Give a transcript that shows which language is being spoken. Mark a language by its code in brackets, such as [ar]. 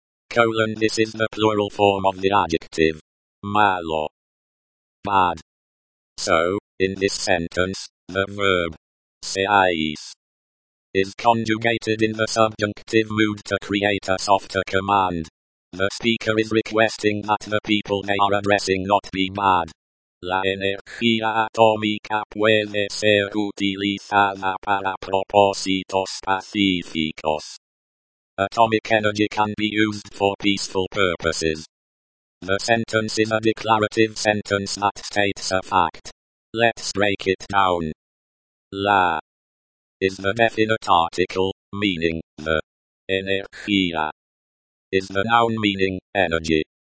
[en] Colon, this is the plural form of the adjective. Malo. Bad. So, in this sentence, the verb. Seáis. Is conjugated in the subjunctive mood to create a softer command. The speaker is requesting that the people they are addressing not be bad. [es] La energía atómica puede ser utilizada para propósitos pacíficos. [en] Atomic energy can be used for peaceful purposes. The sentence is a declarative sentence that states a fact. Let's break it down. La is the definite article, meaning the. Energía is the noun meaning energy.